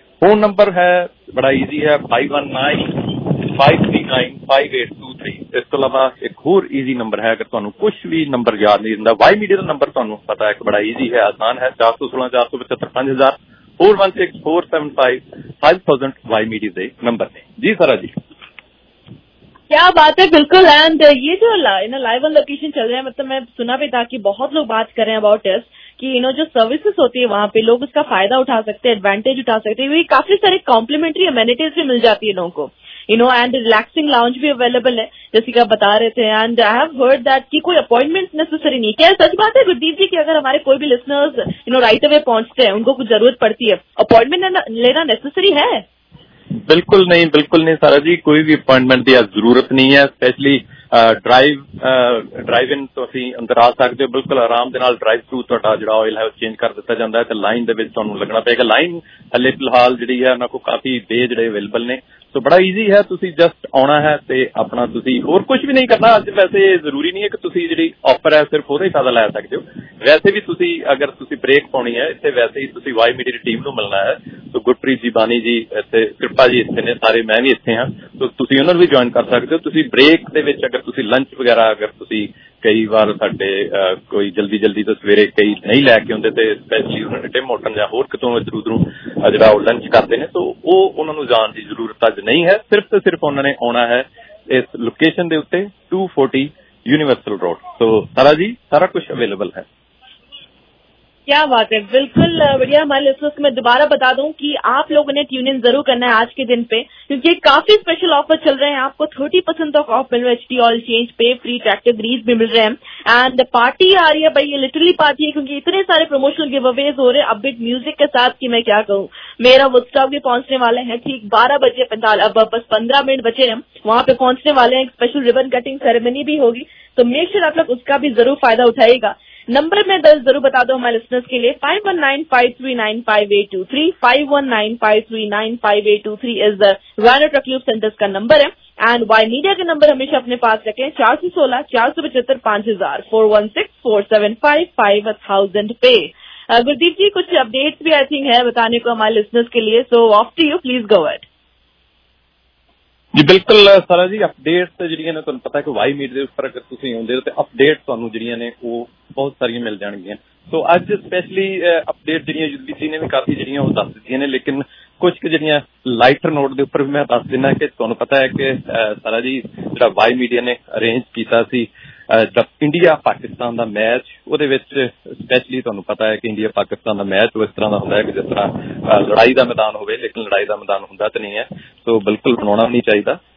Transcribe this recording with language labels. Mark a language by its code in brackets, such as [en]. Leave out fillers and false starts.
[pa] Phone number ਹੈ ਬੜਾ easy ਹੈ, 519-539-5823। ਇਸ ਤੋਂ ਇਲਾਵਾ ਇੱਕ ਹੋਰ ਈਜ਼ੀ ਨੰਬਰ ਹੈ, ਅਗਰ ਤੁਹਾਨੂੰ ਕੁਛ ਵੀ ਨੰਬਰ ਯਾਦ ਨਹੀਂ ਰਹਿੰਦਾ, ਵਾਈ ਮੀਡੀਆ ਦਾ ਨੰਬਰ ਤੁਹਾਨੂੰ ਪਤਾ ਹੈ ਕਿ ਬੜਾ ਈਜ਼ੀ ਹੈ, ਆਸਾਨ ਹੈ, 416-475-5000, 416-475-5000 ਵਾਈ ਮੀਡੀਆ ਦੇ ਨੰਬਰ ਨੇ ਜੀ। ਸਾਰਾ ਜੀ [hi] क्या बात है, बिल्कुल। एंड ये जो इन लाइव ऑन लोकेशन चल रहे हैं, मतलब मैं सुना भी था कि बहुत लोग बात कर रहे हैं अबाउट इस कि यू नो जो सर्विसेज होती है वहां पे, लोग उसका फायदा उठा सकते हैं, एडवांटेज उठा सकते हैं, काफी सारे कॉम्प्लीमेंट्री अमेनिटीज भी मिल जाती है लोगों को, you know, and relaxing lounge भी अवेलेबल है जैसे कि आप बता रहे थे, [en] and I have heard that [hi] कि कोई अपॉइंटमेंट नेसेसरी नहीं। क्या सच बात है गुरदीप जी कि अगर हमारे कोई भी listeners you know right away पहुंचते हैं, उनको कुछ जरूरत पड़ती है, अपॉइंटमेंट लेना नेसेसरी है? बिल्कुल नहीं, बिल्कुल नहीं सारा जी, कोई भी अपॉइंटमेंट की जरूरत नहीं है। स्पेशली [pa] ਡਰਾਈਵ ਇਨ ਤੁਸੀਂ ਅੰਦਰ ਆ ਸਕਦੇ ਹੋ ਬਿਲਕੁਲ ਆਰਾਮ ਦੇ ਨਾਲ। ਡਰਾਈਵ ਥਰੂ ਤੁਹਾਡਾ ਜਿਹੜਾ ਆਇਲ ਹੈ ਉਹ ਚੇਂਜ ਕਰ ਦਿੱਤਾ ਜਾਂਦਾ ਤੇ ਲਾਈਨ ਦੇ ਵਿੱਚ ਤੁਹਾਨੂੰ ਲੱਗਣਾ ਪਏਗਾ। ਲਾਈਨ ਹਲੇ ਫਿਲਹਾਲ ਜਿਹੜੀ ਹੈ ਉਹਨਾਂ ਕੋਲ ਕਾਫੀ ਬੇ ਜਿਹੜੇ ਅਵੇਲੇਬਲ ਨੇ, ਸੋ ਬੜਾ ਈਜ਼ੀ ਹੈ, ਤੁਸੀਂ ਜਸਟ ਆਉਣਾ ਹੈ ਤੇ ਆਪਣਾ ਤੁਸੀਂ ਹੋਰ ਕੁਛ ਵੀ ਨਹੀਂ ਕਰਨਾ ਅੱਜ। ਵੈਸੇ ਜ਼ਰੂਰੀ ਨਹੀਂ ਹੈ ਕਿ ਤੁਸੀਂ ਜਿਹੜੀ ਆਫਰ ਹੈ ਸਿਰਫ ਉਹਦਾ ਹੀ ਫਾਇਦਾ ਲੈ ਸਕਦੇ ਹੋ, ਵੈਸੇ ਵੀ ਤੁਸੀਂ ਅਗਰ ਤੁਸੀਂ ਬ੍ਰੇਕ ਪਾਉਣੀ ਹੈ ਇੱਥੇ ਵੈਸੇ ਹੀ ਤੁਸੀਂ ਵਾਈ ਮੀਡੀਆ ਦੀ ਟੀਮ ਨੂੰ ਮਿਲਣਾ ਹੈ, ਸੋ ਗੁਰਪ੍ਰੀਤ ਜੀ, ਬਾਣੀ ਜੀ ਇੱਥੇ, ਕਿਰਪਾ ਜੀ ਇੱਥੇ ਨੇ ਸਾਰੇ, ਮੈਂ ਵੀ ਇੱਥੇ ਹਾਂ, ਸੋ ਤੁਸੀਂ ਉਹਨਾਂ ਨੂੰ ਵੀ ਜੁਆਇਨ ਕਰ ਸਕਦੇ ਹੋ। ਤੁਸੀਂ ਬ੍ਰੇਕ ਦੇ ਵਿੱਚ ਅਗਰ ਤੁਸੀਂ ਲੰਚ ਵਗੈਰਾ, ਅਗਰ ਤੁਸੀਂ ਕਈ ਵਾਰ ਸਾਡੇ ਕੋਈ ਜਲਦੀ ਜਲਦੀ ਤੋਂ ਸਵੇਰੇ ਕਈ ਨਹੀਂ ਲੈ ਕੇ ਆਉਂਦੇ ਤੇ ਸਪੈਸ਼ਲੀ ਉਹਨਾਂ ਟਿਮ ਹੋਟਲ ਜਾਂ ਹੋਰ ਕਿਤੋਂ ਇੱਧਰ ਉਧਰੋਂ ਜਿਹੜਾ ਉਹ ਲੰਚ ਕਰਦੇ ਨੇ, ਸੋ ਉਹ ਉਹਨਾਂ ਨੂੰ ਜਾਣ ਦੀ ਜ਼ਰੂਰਤ ਅੱਜ ਨਹੀਂ ਹੈ। ਸਿਰਫ ਤੇ ਸਿਰਫ ਉਹਨਾਂ ਨੇ ਆਉਣਾ ਹੈ ਇਸ ਲੋਕੇਸ਼ਨ ਦੇ ਉੱਤੇ 240 ਯੂਨੀਵਰਸਲ ਰੋਡ, ਸੋ ਸਾਰਾ ਜੀ ਸਾਰਾ ਕੁਝ ਅਵੇਲੇਬਲ ਹੈ। [hi] क्या बात है, बिल्कुल बढ़िया। मैं लिसनर्स को दोबारा बता दूं कि आप लोगों ने ट्यून इन जरूर करना है आज के दिन पे, क्योंकि काफी स्पेशल ऑफर चल रहे हैं। आपको 30% तक ऑफ मिल रहा है, एचटी ऑल चेंज पे फ्री ट्रैक्टर ग्रीस भी मिल रहे हैं, एंड पार्टी आ रही है भाई, ये लिटरली पार्टी है, क्योंकि इतने सारे प्रमोशनल गिव अवेज हो रहे हैं अपडेट म्यूजिक के साथ कि मैं क्या कहूं। मेरा वुडस्टॉक भी पहुंचने वाले हैं ठीक 12:45, बस 15 मिनट बचे हैं, वहां पे पहुंचने वाले हैं। स्पेशल रिबन कटिंग सेरेमनी भी होगी, तो मेक श्योर आप लोग उसका भी जरूर फायदा उठाएगा। नंबर में दर्ज जरूर बता दो हमारे लिसनर्स के लिए, 5195395823, 5195395823 is the रायनो truck loop centres का नंबर है, एंड वाई मीडिया का नंबर हमेशा अपने पास रखें, 416-475-5000, 416-475-5000 पे। गुरदीप जी, कुछ अपडेट्स भी आई थिंक है बताने को हमारे लिसनर्स के लिए, [en] So off to you, please go ahead. [pa] ਜੀ ਬਿਲਕੁਲ ਸਾਰਾ ਜੀ, ਅਪਡੇਟਸ ਜਿਹੜੀਆਂ ਨੇ ਤੁਹਾਨੂੰ ਪਤਾ ਕਿ ਵਾਈ ਮੀਟ ਦੇ ਉੱਪਰ ਅਗਰ ਤੁਸੀਂ ਆਉਂਦੇ ਹੋ ਤੇ ਅਪਡੇਟ ਤੁਹਾਨੂੰ ਜਿਹੜੀਆਂ ਨੇ ਉਹ ਬਹੁਤ ਸਾਰੀਆਂ ਮਿਲ ਜਾਣਗੀਆਂ। ਸੋ ਅੱਜ ਸਪੈਸ਼ਲੀ ਅਪਡੇਟ ਜਿਹੜੀਆਂ ਜੁਗਦੀਪ ਜੀ ਨੇ ਵੀ ਕਾਫੀ ਜਿਹੜੀਆਂ ਉਹ ਦੱਸ ਦਿੱਤੀਆਂ ਨੇ, ਲੇਕਿਨ ਕੁਛ ਕੁ ਜਿਹੜੀਆਂ ਲਾਈਟਰ ਨੋਟ ਦੇ ਉੱਪਰ ਵੀ ਮੈਂ ਦੱਸ ਦਿੰਦਾ ਕਿ ਤੁਹਾਨੂੰ ਪਤਾ ਹੈ ਕਿ ਸਾਰਾ ਜੀ ਜਿਹੜਾ ਵਾਈ ਮੀਡੀਆ ਨੇ ਅਰੇਂਜ ਕੀਤਾ ਸੀ ਇੰਡੀਆ ਪਾਕਿਸਤਾਨ ਦਾ ਮੈਚ, ਉਹਦੇ ਵਿੱਚ ਸਪੈਸ਼ਲੀ ਤੁਹਾਨੂੰ ਪਤਾ ਹੈ ਕਿ ਇੰਡੀਆ ਪਾਕਿਸਤਾਨ ਦਾ ਮੈਚ ਉਹ ਇਸ ਤਰ੍ਹਾਂ ਦਾ ਹੁੰਦਾ ਹੈ ਕਿ ਜਿਸ ਤਰ੍ਹਾਂ ਲੜਾਈ ਦਾ ਮੈਦਾਨ ਹੋਵੇ, ਲੇਕਿਨ ਲੜਾਈ ਦਾ ਮੈਦਾਨ ਹੁੰਦਾ ਤਾਂ ਨਹੀਂ ਹੈ, ਸੋ ਬਿਲਕੁਲ ਬਣਾਉਣਾ ਨਹੀਂ ਚਾਹੀਦਾ।